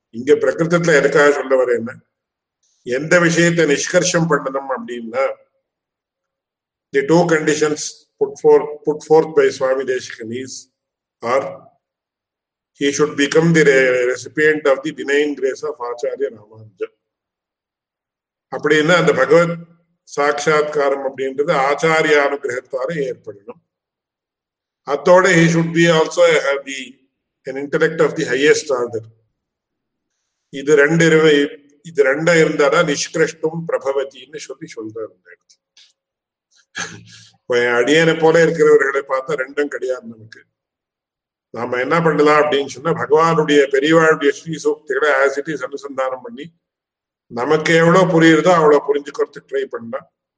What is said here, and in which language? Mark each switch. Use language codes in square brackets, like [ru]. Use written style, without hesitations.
[ta] இங்க பிரகிருத்தத்துல எதுக்காக சொல்ல வர, என்ன எந்த விஷயத்தை நிஷ்கர்ஷம் பண்ணணும் அப்படின்னா, [en] The two conditions put forth by Swami Deshikani is, or he should become the recipient of the benign grace of Acharya Ramanuja. [ta] அப்படின்னா அந்த பகவத் சாட்சா்காரம் அப்படின்றது ஆச்சாரிய அனுகிரகத்தாரே ஏற்படணும். அத்தோட [en] he should be also an intellect of the highest order. [ta] இது ரெண்டும் இருந்தாதான் நிஷ்கிருஷ்டும் பிரபவதின்னு சொல்லி சொல்றாரு. இப்போ என் அடியனை போல இருக்கிறவர்களை பார்த்தா ரெண்டும் கிடையாது நமக்கு. நாம என்ன பண்ணலாம் அப்படின்னு சொன்னா, பகவானுடைய பெரியவாளுடைய ஸ்ரீ சூக்திகளை [en] as it is [ta] அனுசந்தானம் பண்ணி, நமக்கு எவ்வளோ புரியுறதோ அவ்வளோ புரிஞ்சுக்கிறதுக்கு ட்ரை பண்ணலாம்.